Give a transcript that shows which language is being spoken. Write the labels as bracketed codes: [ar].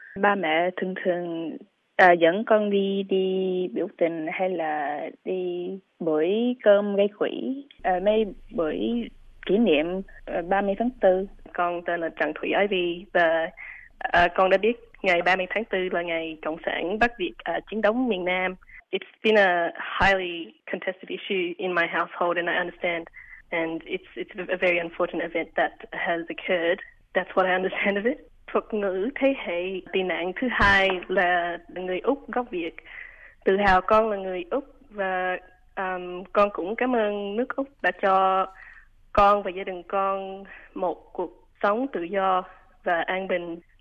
[vi] Ba mẹ thường thường dẫn con đi đi biểu tình hay là đi buổi cơm gây quỹ, mấy buổi kỷ niệm 30 tháng 4. Con tên là Trần Thủy Ái Vi và con đã biết ngày 30 tháng 4 là ngày Cộng sản Bắc Việt chiến đấu miền Nam. [en] It's been a highly contested issue in my household and I understand and it's a very unfortunate event that has occurred. That's what I understand of it. [vi] Thuật ngữ thế hệ tị nạn thứ hai là người Úc gốc Việt. Tự hào con là người Úc và con cũng cảm ơn nước Úc đã cho con và gia đình con một cuộc sống tự do và an bình.